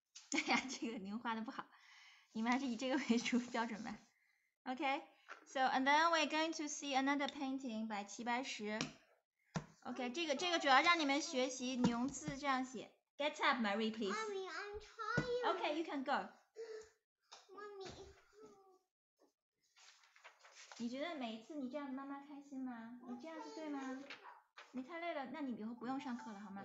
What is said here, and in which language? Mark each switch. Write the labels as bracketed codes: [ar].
[zh] 这个您画的不好，你们还是以这个为主标准吧。 [en] OK, so and then we're going to see another painting by 齐白石。 [zh] OK, 这个主要让你们学习牛字这样写。 [en] Get up, Marie, please. Mommy, I'm tired. OK, you can go. Mommy. [zh] 你觉得每一次你这样子妈妈开心吗？你这样子对吗？你太累了，那你以后不用上课了好吗？